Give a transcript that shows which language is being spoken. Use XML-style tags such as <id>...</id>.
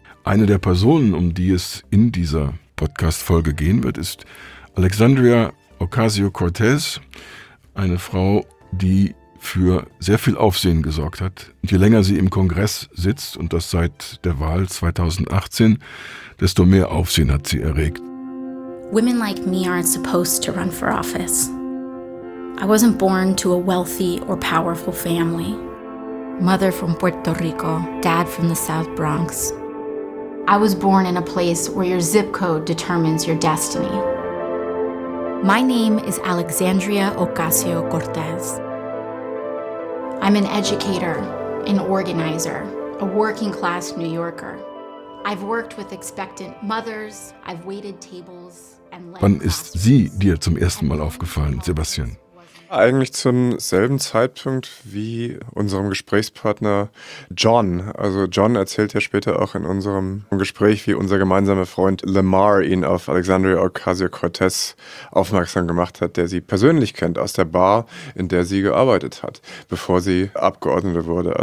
<de>Eine der Personen, um die es in dieser Podcast-Folge gehen wird, ist Alexandria Ocasio-Cortez, eine Frau, die für sehr viel Aufsehen gesorgt hat. Und je länger sie im Kongress sitzt, und das seit der Wahl 2018, desto mehr Aufsehen hat sie erregt.</de> <en>Women like me aren't supposed to run for office. I wasn't born to a wealthy or powerful family. Mother from Puerto Rico, dad from the South Bronx. I was born in a place where your zip code determines your destiny. My name is Alexandria Ocasio-Cortez. I'm an educator, an organizer, a working class New Yorker. I've worked with expectant mothers, I've waited tables and led.</en> <de>Wann ist sie dir zum ersten Mal aufgefallen, Sebastian? Eigentlich zum selben Zeitpunkt wie unserem Gesprächspartner John. Also John erzählt ja später auch in unserem Gespräch, wie unser gemeinsamer Freund Lamar ihn auf Alexandria Ocasio-Cortez aufmerksam gemacht hat, der sie persönlich kennt aus der Bar, in der sie gearbeitet hat, bevor sie Abgeordnete wurde.</de>